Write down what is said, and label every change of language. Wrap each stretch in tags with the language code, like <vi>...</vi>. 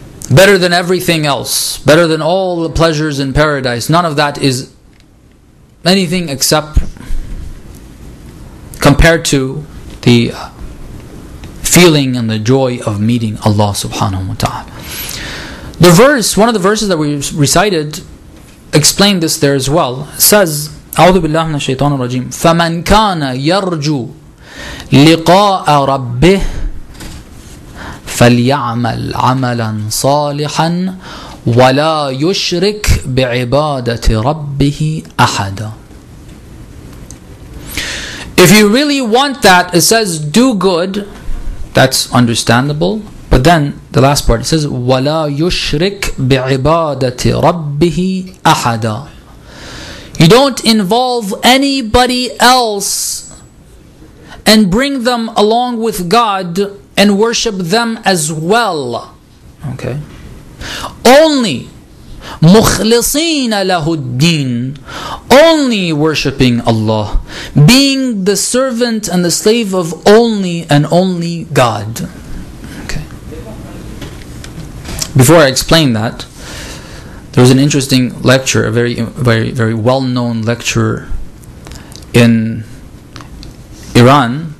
<en>Better than everything else, better than all the pleasures in paradise, none of that is anything except compared to the feeling and the joy of meeting Allah subhanahu wa ta'ala. The verse, one of the verses that we recited, explained this there as well. It says,</en> <ar>أعوذ بالله من الشيطان الرجيم فمن كان يرجو لقاء ربه فليعمل عملا صالحا ولا يشرك بعبادة ربه أحدا.</ar> <en>If you really want that, it says, do good. That's understandable. But then the last part, it says,</en> <ar>وَلَا يُشْرِكْ بِعِبَادَةِ رَبِّهِ أَحَدًا.</ar> <en>You don't involve anybody else and bring them along with God and worship them as well. Okay. Only</en> <ar>مُخْلِصِينَ لَهُ الدِّينَ.</ar> <en>Only worshipping Allah. Being the servant and the slave of only and only God. Before I explain that, there was an interesting lecture, a very, very, very well-known lecturer in Iran.</en>